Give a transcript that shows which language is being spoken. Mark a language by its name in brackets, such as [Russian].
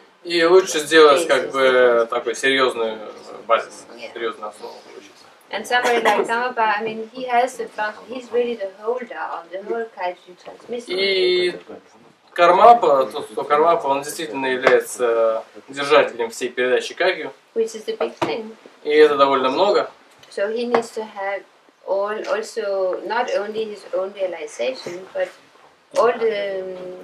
[Russian] И лучше сделать как бы такой серьезный базис, серьезную основу. [English] And somebody like Karmapa, I mean, he has the function. He's really the holder of the whole Kaiju transmission. [Russian] И Кармапа, то что Кармапа, он действительно является держателем всей передачи Кагю. [English] Which is a big thing. [Russian] И это довольно много. [English] So he needs to have all, also not only his own realization, but all the